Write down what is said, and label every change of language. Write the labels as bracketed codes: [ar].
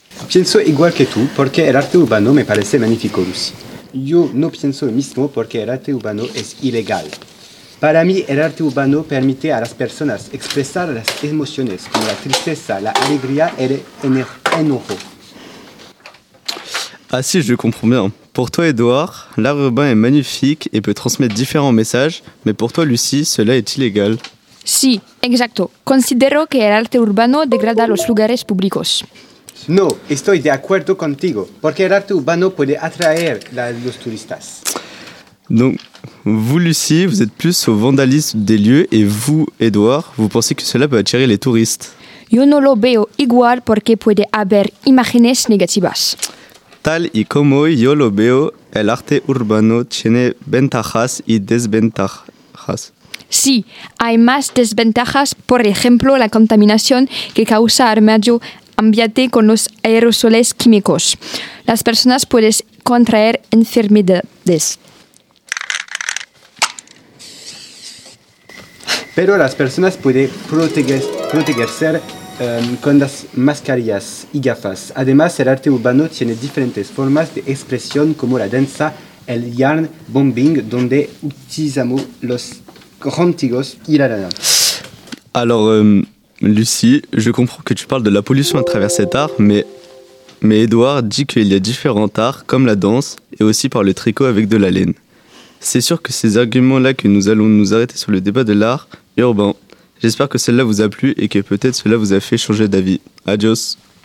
[es] Pienso igual que tú, porque el arte urbano me parece magnífico, Lucy. Yo no pienso lo mismo porque el arte urbano es ilegal. Para mí, el arte urbano permite a las personas expresar las emociones como la tristeza, la alegría y el enojo. [fr] Ah si, je comprends bien. Pour toi, Edouard, l'art urbain est magnifique et peut transmettre différents messages, mais pour toi, Lucie, cela est illégal. [es] Sí, exacto. Considero que el arte urbano degrada los lugares públicos. No, estoy de acuerdo contigo, porque el arte urbano puede atraer a los turistas. [fr] Donc, vous, Lucie, vous êtes plus au vandalisme des lieux et vous, Edouard, vous pensez que cela peut attirer les touristes. [es] Yo no lo veo igual porque puede haber imágenes negativas. Tal y como yo lo veo, el arte urbano tiene ventajas y desventajas. Sí, hay más desventajas, por ejemplo, la contaminación que causa el medio ambiente con los aerosoles químicos. Las personas pueden contraer enfermedades. Pero las personas pueden protegerse con las mascarillas y gafas. Además, el arte urbano tiene diferentes formas de expresión como la danza, el yarn bombing, donde utilizamos los contigos y la lana. [fr] Alors, Lucie, je comprends que tu parles de la pollution à travers cet art, mais Edouard dit qu'il y a différents arts, comme la danse, et aussi par le tricot avec de la laine. C'est sûr que ces arguments-là que nous allons nous arrêter sur le débat de l'art urbain. J'espère que celle-là vous a plu et que peut-être cela vous a fait changer d'avis. Adios.